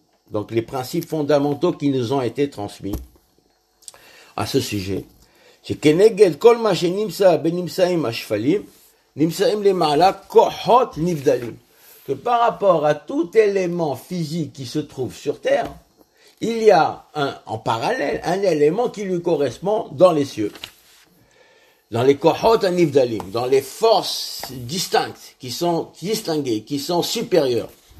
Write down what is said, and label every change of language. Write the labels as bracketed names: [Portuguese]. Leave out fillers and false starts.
[French] Donc les principes fondamentaux qui nous ont été transmis à ce sujet. [Hebrew] שכנגד כל מה שנמצא בנמצאים השפלים, נמצאים למעלה כוחות נבדלים. [French] Que par rapport à tout élément physique qui se trouve sur Terre, il y a en parallèle un élément qui lui correspond dans les cieux, dans les kohot anivdalim, dans les forces distinctes, qui sont distinguées, qui sont supérieures.